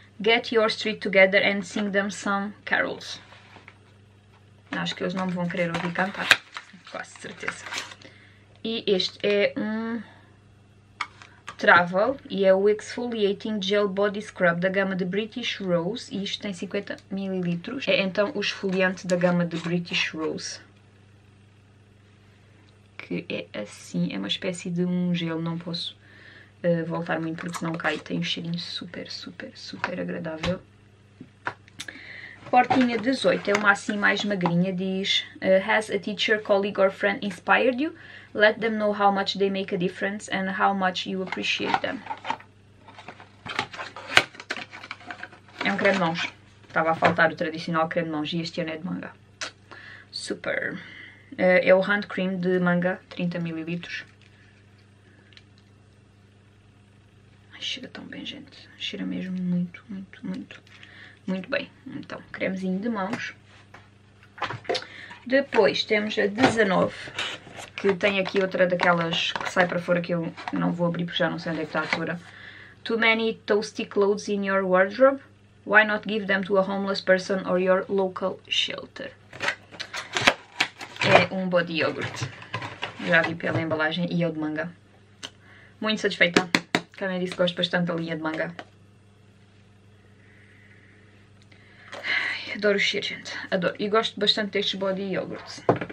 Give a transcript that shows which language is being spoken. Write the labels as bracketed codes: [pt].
[en] Get your street together and sing them some carols. [pt] Acho que eles não me vão querer ouvir cantar. Quase certeza. E este é um travel e é o Exfoliating Gel Body Scrub da gama de British Rose. E isto tem 50 ml. É então o esfoliante da gama de British Rose. Que é assim, é uma espécie de um gel, não posso voltar muito porque senão cai. Tem um cheirinho super, super, super agradável. Portinha 18, é uma assim mais magrinha, diz: [en] Has a teacher, colleague or friend inspired you? Let them know how much they make a difference and how much you appreciate them. [pt] É um creme de mãos. Estava a faltar o tradicional creme de mãos e este ano é de manga. Super. É o hand cream de manga, 30 ml. Cheira tão bem, gente. Cheira mesmo muito, muito, muito, muito bem. Então, cremezinho de mãos. Depois temos a 19, que tem aqui outra daquelas que sai para fora que eu não vou abrir porque já não sei onde é que está a altura. [en] Too many toasty clothes in your wardrobe? Why not give them to a homeless person or your local shelter? [pt] É um body yogurt. Já vi pela embalagem e é o de manga. Muito satisfeita. Também disse que gosto bastante da linha de manga. Adoro o cheiro, gente. Adoro. E gosto bastante destes body yogurts.